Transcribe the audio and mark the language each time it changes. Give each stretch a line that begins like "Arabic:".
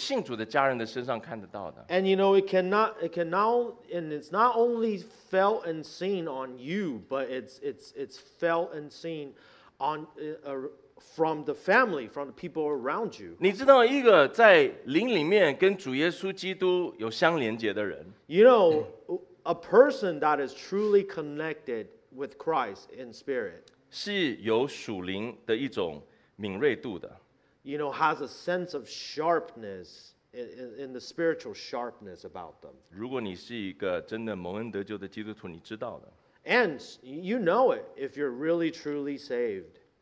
Chinese: 而且那爱主的心不是只有在你的身上看得见的，是在你的家人，信主的家人的身上看得到的。And
English: you know, it's not only felt and seen on you, but it's felt and seen on from the family, from the people around you.
Chinese: 你知道一个在灵里面跟主耶稣基督有相连接的人。
English: You know, a person that is truly connected with Christ in spirit
Chinese: 是有属灵的一种敏锐度的。
English: You know, has a sense of sharpness in the spiritual sharpness about them.
Chinese: 如果你是一个真的蒙恩得救的基督徒, 你知道的。
English: And you know it if you're really truly saved.